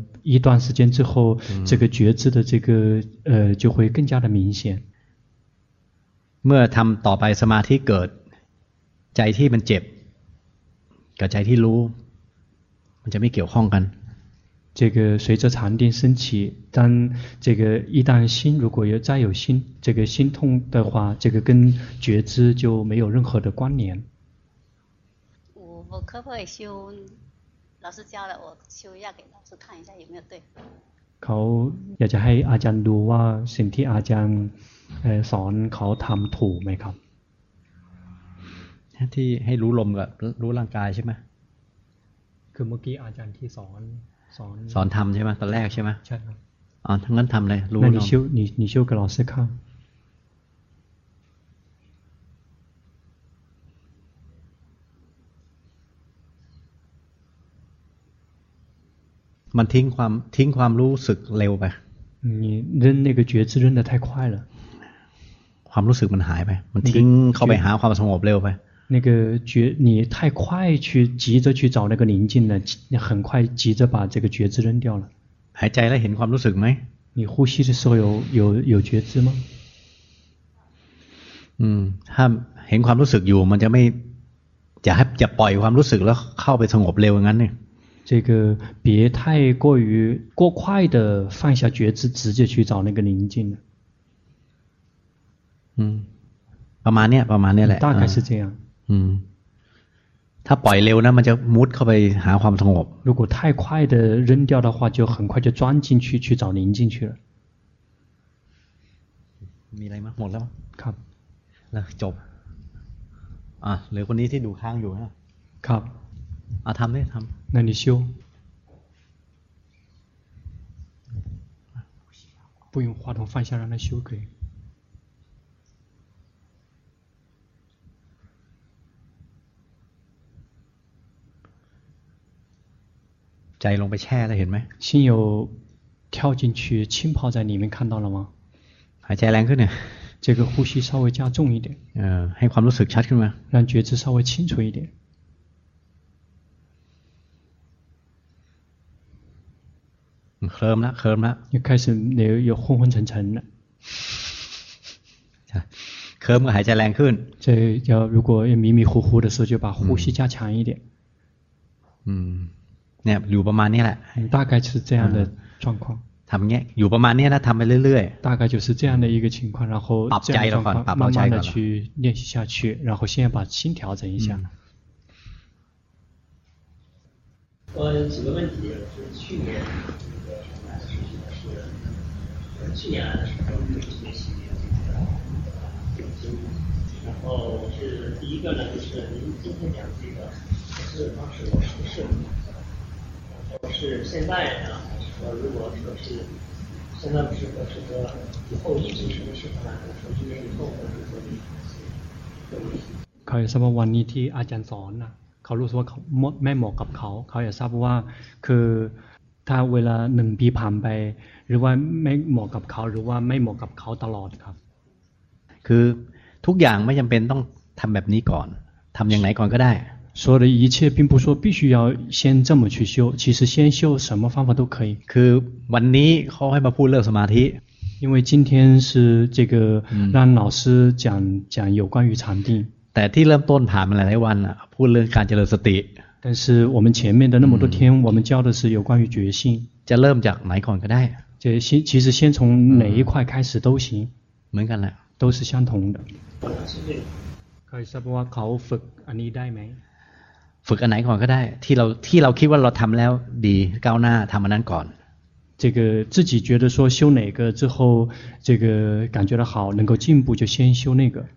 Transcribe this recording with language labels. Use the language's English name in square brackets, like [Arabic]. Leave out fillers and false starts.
[Chinese] 一段时间之后，这个觉知的这个就会更加的明显。 [Thai] เมื่อทำต่อไปสมาธิเกิดใจที่มันเจ็บกับใจที่รู้มันจะไม่เกี่ยวข้องกัน。 [Chinese] 这个随着禅定升起，但这个一旦心如果有再有心，这个心痛的话，这个跟觉知就没有任何的关联。我可不可以修？老师教了，我修一下给老师看一下有没有对。 [Thai] เขาอยากจะให้อาจารย์ดูว่าสิ่งที่อาจารย์สอนเขาทำถูกไหมครับ？ ที่ให้รู้ลมกับรู้ร่างกายใช่ไหม？ คือเมื่อกี้อาจารย์ที่สอน สอนทำใช่ไหมตอนแรกใช่ไหม？ ใช่ครับ 。 อ๋อทั้งนั้นทำเลยรู้ลม。 [Chinese] 那你修给老师看。 [Thai] มันทิ้งความรู้สึกเร็วไป [Chinese] 你扔那个觉知扔得太快了 [Thai] ความรู้สึกมันหายไปมันทิ้งเข้าไปหาความสงบเร็วไป [Chinese] 那个觉你太快去急着去找那个宁静了很快急着把这个觉知扔掉了 [Thai] หายใจแล้วเห็นความรู้สึกไหม [Chinese] 你呼吸的时候有觉知吗 [Thai] ถ้าเห็นความรู้สึกอยู่มันจะไม่จะปล่อยความรู้สึกแล้วเข้าไปสงบเร็วงั้นเนี่ย [Chinese] 这个别太过于过快的放下觉知，直接去找那个宁静了。 [Thai] ประมาณเนี้ย ประมาณเนี้ยแหละ [Chinese] 大概是这样。 [Thai] ถ้าปล่อยเร็วนะมันจะมุดเข้าไปหาความสงบ [Chinese] 如果太快的扔掉的话，就很快就钻进去去找宁静去了。 [Thai] มีอะไรมั้ย หมดแล้วมั้ย ครับ แล้วจบ เหลือคนนี้ที่ดูข้างอยู่นะ ครับ อ่ะทำได้ทำ นั่นนี่ชิว [Chinese] 不用话筒放下让他修可以 [Thai] ใจลงไปแช่แล้วเห็นไหม [Chinese] 心有跳进去浸泡在里面看到了吗 [Thai] หายใจแรงขึ้นเนี่ย [Chinese] 这个呼吸稍微加重一点 [Thai] ให้ความรู้สึกชัดขึ้นมั้ย [Chinese] 让觉知稍微清楚一点 [Thai] เคลิ้มละเคลิ้มละ ยังไงสิเดี๋ยวอยู่ [Chinese] 昏昏沉沉 [Thai] นะ เคลิ้มก็หายใจแรงขึ้น [Chinese] จะจะ如果要迷迷糊糊的时候就把呼吸加强一点 [Thai] เนี่ยอยู่ประมาณนี้แหละ [Chinese] 大概是这样的状况 [Thai] ทำเงี้ยอยู่ประมาณนี้นะทำไปเรื่อย [Chinese] ๆ大概就是这样的一个情况然后 [Thai] ปรับใจก่อน [Chinese] 慢慢的去练习下去然后先把心调整一下我有几个问题去年去年的时候有一些心理的有经历，然后是第一个呢，就是您今天讲这个，是当时我出事，然后是现在呢，说如果说是现在不适合，是说以后一直什么适合呢？我说今年以后会做的，对。 [Thai] เขาจะทราบว่าวันนี้ที่อาจารย์สอนนะเขารู้สึกว่าไม่เหมาะกับเขาเขาจะทราบว่าคือถ้าเวลาหนึ่งปีผ่านไปหรือว่าไม่เหมาะกับเขาหรือว่าไม่เหมาะกับเขาตลอดครับ คือทุกอย่างไม่จำเป็นต้องทำแบบนี้ก่อนทำอย่างไหนก่อนก็ได้ [Chinese] 所有的一切并不说必须要先这么去修其实先修什么方法都可以 [Thai] คือวันนี้เขาให้มาพูดเรื่องสมาธิ [Chinese] 因为今天是这个让老师讲有关于禅定 [Thai] แต่ที่เริ่มต้นถามมาหลายวันอ่ะพูดเรื่องการเจริญสติ [Chinese] 但是我们前面的那么多天我们教的是有关于决心 [Thai] จะเริ่มจากไหนก่อนก็ได้ [Chinese] 决心其实先从哪一块开始都行 [Thai] เหมือนกันแหละ [Chinese] 都是相同的 [Thai] ใ ครทราบว่าเขาฝึกอันนี้ได้ไหม ฝึกอันไหนก่อนก็ได้ที่เราคิดว่าเราทำแล้วดีก้าวหน้าทำอันนั้นก่อน [Chinese] 这个自己觉得说修哪个之后这个感觉的好能够进步就先修那个